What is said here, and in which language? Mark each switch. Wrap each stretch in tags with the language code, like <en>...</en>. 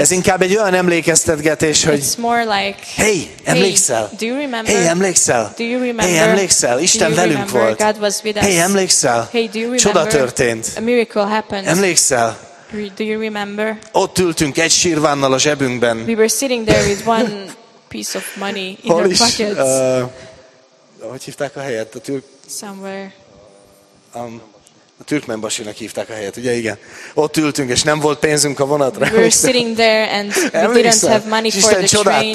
<hu>Ez inkább egy olyan emlékeztetgetés, hogy</hu> <en>it's more like,</en> <hu>hey, emlékszel?</hu> <en>Hey, do you remember?</en> <hu>Hey, emlékszel?</hu> <en>Do you remember?</en> <hu>Hey, emlékszel? Isten velünk volt.</hu> <en>God was with us.</en> <hu>Hey, emlékszel?</hu> <en>Hey, do you remember?</en> <hu>Csoda történt.</hu> <en>A miracle happened.</en> <hu>Emlékszel?</hu> <en>Do you remember?</en> <hu>Ott ültünk egy sírvánnal a zsebünkben.</hu> <en>We were sitting there with one piece of money in our pockets.</en> <hu>Hogy hívták a helyet? A türk...</hu> <en>Somewhere.</en> <hu>A türkmenbasinak hívták a helyet, ugye? Igen. Ott ültünk, és nem volt pénzünk a vonatra.</hu> <en>We were sitting there and we didn't have money for the train.</en>